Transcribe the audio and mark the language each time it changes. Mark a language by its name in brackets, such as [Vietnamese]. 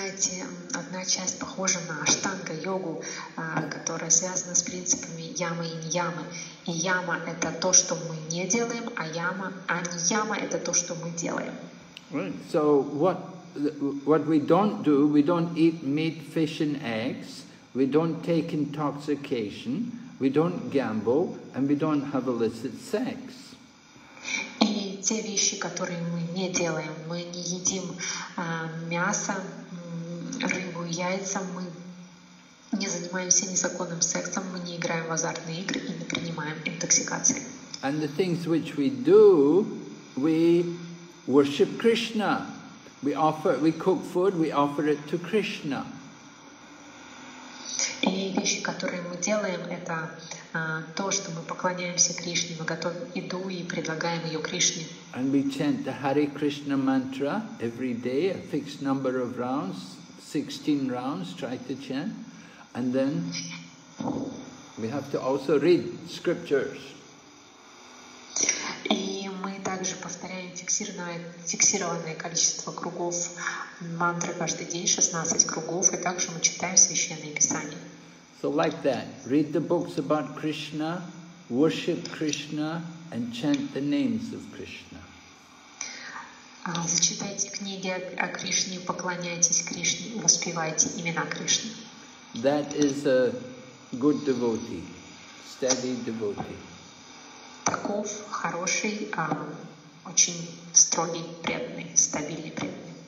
[Russian] И одна часть похожа на Астанга Йогу, которая связана с принципами Ямы и Ниямы. И Яма это то, что мы не делаем, а Ниама это то, что мы делаем. [English] Right. So what we don't do, we don't eat meat, fish and eggs, we don't take intoxication, we don't gamble, and we don't have illicit sex. [Russian] И те вещи, которые мы не делаем. Мы не едим мясо, рыбу, яйца, мы не занимаемся незаконным сексом, мы не играем в азартные игры и не принимаем интоксикации. [English] And the things which we do, we worship Krishna. We cook food, we offer it to Krishna. [Russian] И вещи, которые мы делаем, это то, что мы поклоняемся Кришне, мы готовим еду и предлагаем ее Кришне. [English] And we chant the Hare Krishna mantra every day, a fixed number of rounds, 16 rounds, try to chant. And then we have to also read scriptures. [Russian] И мы также повторяем фиксированное количество кругов мантры каждый день, 16 кругов, и также мы читаем Священные Писания. [English] So like that, read the books about Krishna, worship Krishna, and chant the names of Krishna. [Russian] Зачитайте книги о Кришне, поклоняйтесь Кришне, воспевайте имена Кришны. [English] That is a good devotee, steady devotee. [Russian] Таков хороший, очень строгий, преданный, стабильный преданный.